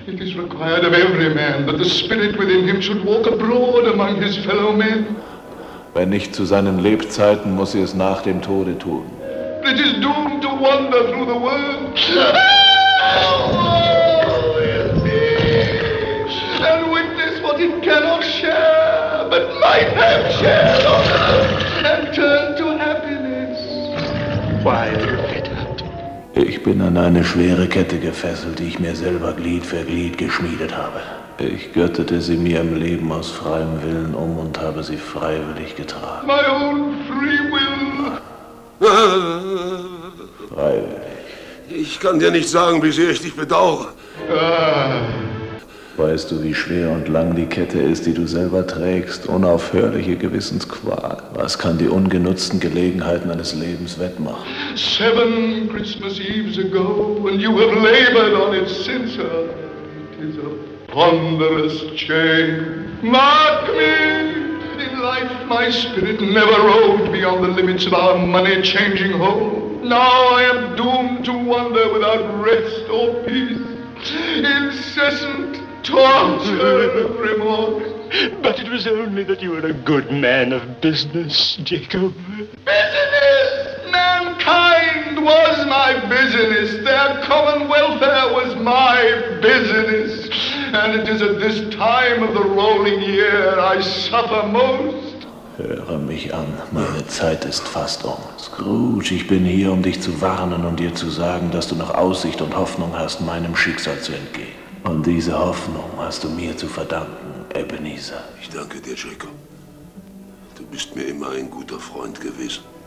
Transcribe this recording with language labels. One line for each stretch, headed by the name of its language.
English: It is required of every man that the spirit within him should walk abroad among his fellow men.
German: Wenn nicht zu seinen Lebzeiten, muss sie es nach dem Tode tun.
English: It is doomed to wander through the world. And witness what it cannot share, but might have shared on earth, and turn to happiness. Why?
German: Ich bin an eine schwere Kette gefesselt, die ich mir selber Glied für Glied geschmiedet habe. Ich gürtete sie mir im Leben aus freiem Willen um und habe sie freiwillig getragen.
English: My own free will.
German: Freiwillig. Ich kann dir nicht sagen, wie sehr ich dich bedauere. Weißt du, wie schwer und lang die Kette ist, die du selber trägst? Unaufhörliche Gewissensqual. Was kann die ungenutzten Gelegenheiten eines Lebens wettmachen?
English: 7 Christmas Eves ago, and you have labored on it since. It is a ponderous chain. Mark me! In life my spirit never roved beyond the limits of our money-changing home. Now I am doomed to wander without rest or peace. Incessant. Torture remorse. But it was only that you were a good man of business, Jacob. Business! Mankind was my business. Their common welfare was my business. And it is at this time of the rolling year I suffer most.
German: Höre mich an. Meine Zeit ist fast um. Scrooge, ich bin hier, um dich zu warnen und dir zu sagen, dass du noch Aussicht und Hoffnung hast, meinem Schicksal zu entgehen. Und diese Hoffnung hast du mir zu verdanken, Ebenezer. Ich danke dir, Jacob. Du bist mir immer ein guter Freund gewesen.